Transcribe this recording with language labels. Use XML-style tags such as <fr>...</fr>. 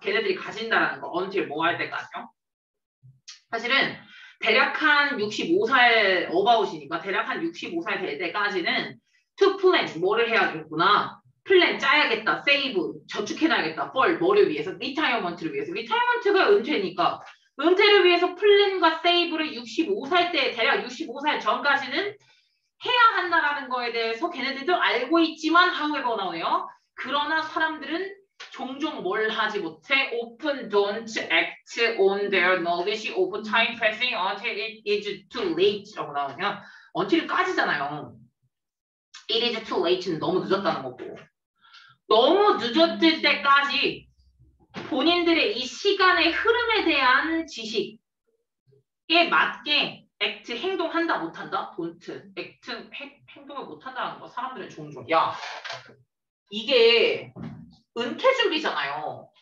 <ko>걔네들이 가진다라는 거. until 뭐 할 때까지요? 사실은 대략 한 65살 어바웃이니까 대략 한 65살 될 때까지는 to plan 뭐를 해야겠구나 플랜 짜야겠다 save 저축해놔야겠다 for 뭐를 위해서 retirement를 위해서 retirement가 은퇴니까 은퇴를 위해서 플랜과 save를 65살 때 대략 65살 전까지는 해야 한다라는 거에 대해서 걔네들도 알고 있지만 however 나오네요. 그러나 사람들은 종종 뭘 하지 못해?</ko> <en>Often don't act on their knowledge of time passing until it is too late</en> <ko>라고 나오냐? Until 까지잖아요.</ko> <en>It is too late</en> <ko>는 너무 늦었다는 거고. 너무 늦었을 때까지 본인들의 이 시간의 흐름에 대한 지식에 맞게 act, 행동한다 못한다? Don't act, 행동을 못한다는 거 사람들은 종종. 야, 이게 은퇴 준비잖아요.</ko>